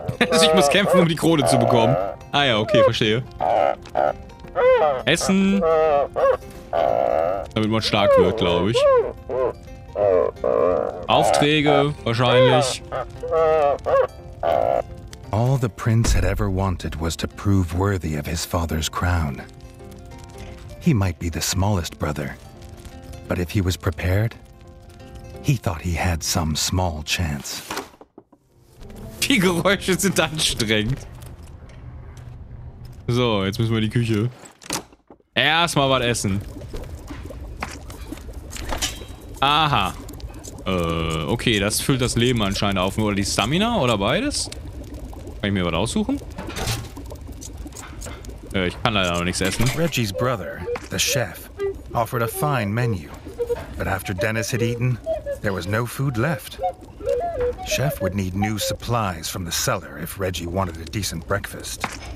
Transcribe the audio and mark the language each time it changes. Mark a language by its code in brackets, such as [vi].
[de] Es kämpfen, um die Krone zu bekommen. Ah ja, okay, verstehe. Essen. Damit man stark wird, glaube ich. Aufträge, wahrscheinlich. [en] All the prince had ever wanted was to prove worthy of his father's crown. He might be the smallest brother, but if he was prepared, he thought he had some small chance. [de] Die Geräusche sind anstrengend. So, jetzt müssen wir in die Küche. Erstmal was essen. Aha. Okay, das füllt das Leben anscheinend auf. Oder die Stamina oder beides? Kann ich mir was aussuchen? Ich kann leider noch nichts essen. [en] Reggie's brother, the chef, offered a fine menu. But after Dennis had eaten, there was no food left. Chef would need new supplies from the cellar if Reggie wanted a decent breakfast.